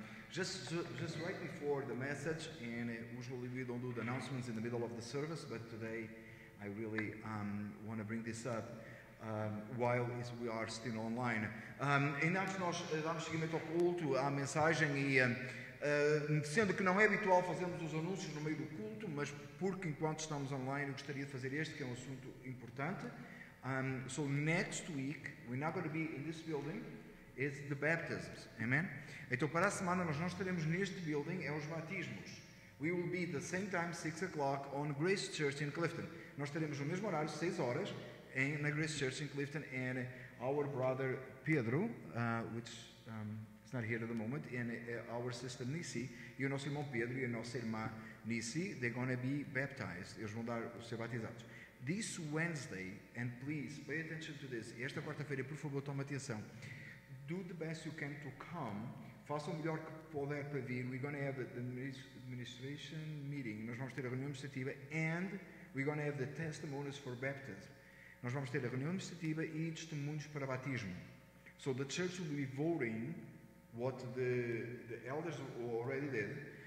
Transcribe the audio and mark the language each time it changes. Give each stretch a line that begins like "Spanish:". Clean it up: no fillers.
English: Just right before the message, and usually we don't do the announcements in the middle of the service, but today I really want to bring this up while we are still online.
Portuguese: Ainda antes nós damos seguimento ao culto, à mensagem, e sendo que não é habitual fazermos os anúncios no meio do culto, mas porque enquanto estamos online eu gostaria de fazer este, que é um assunto importante.
English: So next week, we're not going to be in this building, it's the baptisms. Amen?
Portuguese: Então para a semana nós não estaremos neste building, é os batismos.
English: We will be the same time, 6 o'clock, on Grace Church in Clifton.
Portuguese: Nós teremos o mesmo horário, 6 horas, na
English: Grace Church in Clifton, and our brother Pedro, which is not here at the moment, and our sister Nisi,
Portuguese: e o nosso irmão Pedro e a nossa irmã Nisi,
English: they're going to be baptized.
Portuguese: Eles vão dar o ser batizados.
English: This Wednesday, and please pay attention to this,
Portuguese: esta quarta-feira, por favor, tome atenção.
English: Do the best you can to come.
Portuguese: Faça o melhor que puder para vir.
English: We're going to have the administration meeting.
Portuguese: Nós vamos ter a reunião administrativa,
English: and we're going to have the testimonies for baptism.
Portuguese: Nós vamos ter a reunião administrativa e testemunhos para batismo.
English: So the church will be voting what the elders already did.